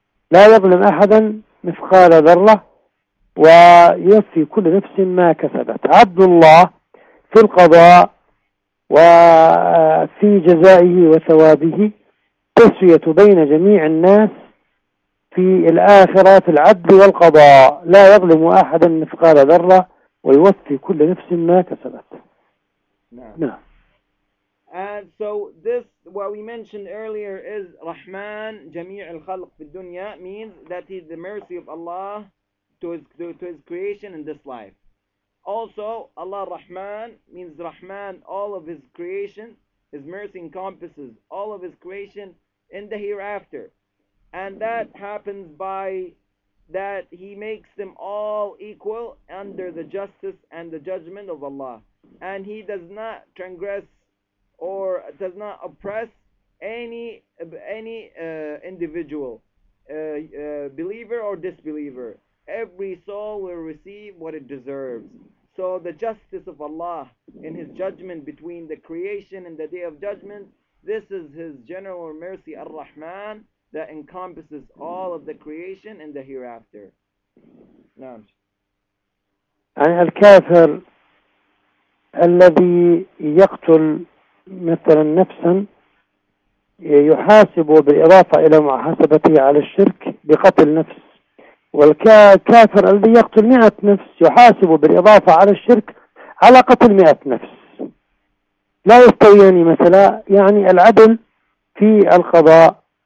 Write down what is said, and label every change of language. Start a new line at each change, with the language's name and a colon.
Arabic: لا يظلم أحدا مثقال ذرة ويوفي كل نفس ما كسبت عدل الله في القضاء وفي جزائه وثوابه تسوية بين جميع الناس في الآخرة في العدل والقضاء لا يظلم أحدا مثقال ذرة ويوفي كل نفس ما كسبت
English: And so this what we mentioned earlier is Rahman
Arabic: جميع الخلق في الدنيا
English: means that he's the mercy of Allah to his creation in this life also Allah Rahman means Rahman all of his creation his mercy encompasses all of his creation in the hereafter And that happens by that he makes them all equal under the justice and the judgment of Allah. And he does not transgress or does not oppress any individual, believer or disbeliever. Every soul will receive what it deserves. So the justice of Allah in his judgment between the creation and the day of judgment, this is his general mercy, Ar-Rahman. That encompasses all of the creation and the hereafter.
Arabic: يعني الكافر الذي يقتل مثلا نفسا يحاسب بالإضافة إلى محاسبته على الشرك بقتل نفس والكافر الذي يقتل مئة نفس يحاسب بالإضافة على الشرك على قتل مئة نفس لا يستويان مثلا يعني العدل في القضاء